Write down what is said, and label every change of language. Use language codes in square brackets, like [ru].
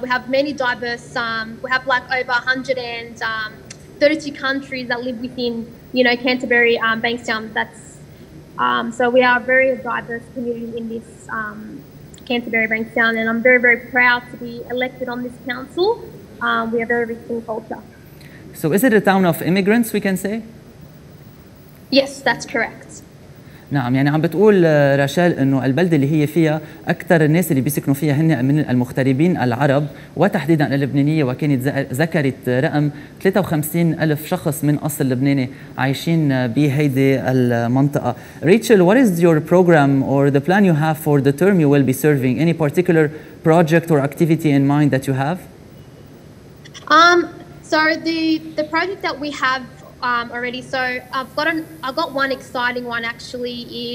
[en] We have many diverse we have like over 132 countries that live within, you know, Canterbury Bankstown. That's so we are a very diverse community in this Canterbury Bankstown, and I'm very, very proud to be elected on this council. We are very rich in culture. So is it a town of immigrants, we can say? Yes, that's correct. [ar] نعم، يعني عم بتقول راشيل انه البلده اللي هي فيها اكثر الناس اللي بيسكنوا فيها هن من المغتربين العرب وتحديدا اللبنانيه، وكانت ذكرت رقم 53 الف شخص من اصل لبناني عايشين بهيدي المنطقه. [en] Rachel, what is your program or the plan you have for the term you will be serving? Any particular project or activity in mind that you have? So the project that we have already. So I got one exciting one actually.